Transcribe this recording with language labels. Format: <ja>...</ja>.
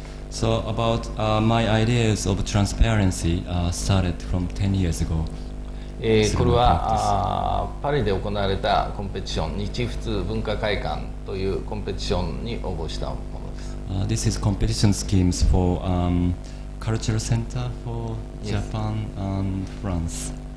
<en>So about my ideas of transparency started from 10 years ago.</en> <ja>これはパリで行われたコンペティション、日仏文化会館というコンペティションに応募したものです。</ja> <en>This is competition schemes for Cultural Center for Japan and France.</en>